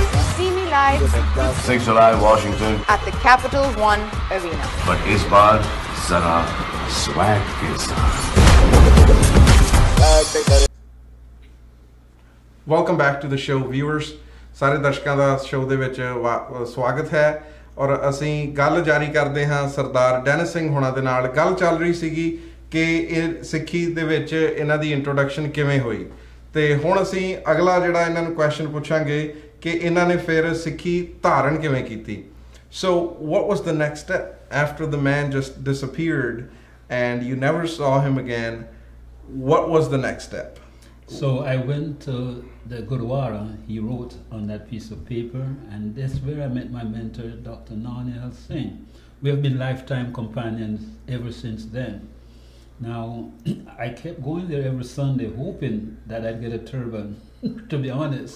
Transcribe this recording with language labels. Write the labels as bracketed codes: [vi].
[en] See me live 6 July, Washington. At the Capital One Arena. [hi] But is baar zara swag ke saath. [en] Welcome back to the show, viewers. [pa] Sare darshakan da show de vich swagat hai. ਔਰ ਅਸੀਂ ਗੱਲ ਜਾਰੀ ਕਰਦੇ ਹਾਂ ਸਰਦਾਰ Danish Singh ਹੋਣਾ ਦੇ ਨਾਲ ਗੱਲ ਚੱਲ ਰਹੀ ਸੀਗੀ ਕਿ ਇਹ ਸਿੱਖੀ ਦੇ ਵਿੱਚ ਇਹਨਾਂ ਦੀ ਇੰਟਰੋਡਕਸ਼ਨ ਕਿਵੇਂ ਹੋਈ ਅਤੇ ਹੁਣ ਅਸੀਂ ਅਗਲਾ ਜਿਹੜਾ ਇਹਨਾਂ ਨੂੰ ਕੁਐਸਚਨ ਪੁੱਛਾਂਗੇ ਕਿ ਇਹਨਾਂ ਨੇ ਫਿਰ ਸਿੱਖੀ ਧਾਰਨ ਕਿਵੇਂ ਕੀਤੀ [en] So what was the next after the man just disappeared and you never saw him again what was the next step so I went the Gurdwara, he wrote on that piece of paper, and that's where I met my mentor, Dr. Narnel Singh. We have been lifetime companions ever since then. Now, I kept going there every Sunday, hoping that I'd get a turban, to be honest.